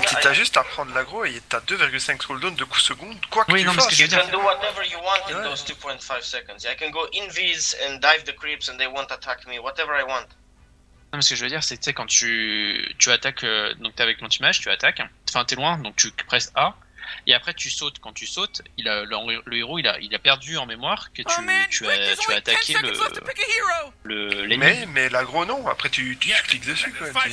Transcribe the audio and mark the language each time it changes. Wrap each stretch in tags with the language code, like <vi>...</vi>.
<fr>tu t'as juste à prendre l'aggro et t'as 2,5 cooldown de coup seconde, quoi que oui, tu non, fasses.</fr> <en>You can do whatever you want in those 2.5 seconds. I can go invis and dive the creeps and they won't attack me, whatever I want.</en> <fr>Non, mais ce que je veux dire, c'est quand tu attaques, donc t'es avec l'anti-mage, tu attaques, enfin t'es loin, donc tu presses A, et après tu sautes. Quand tu sautes, le héros il a perdu en mémoire que tu as attaqué l'ennemi. Mais l'aggro non, après tu cliques dessus quoi.</fr>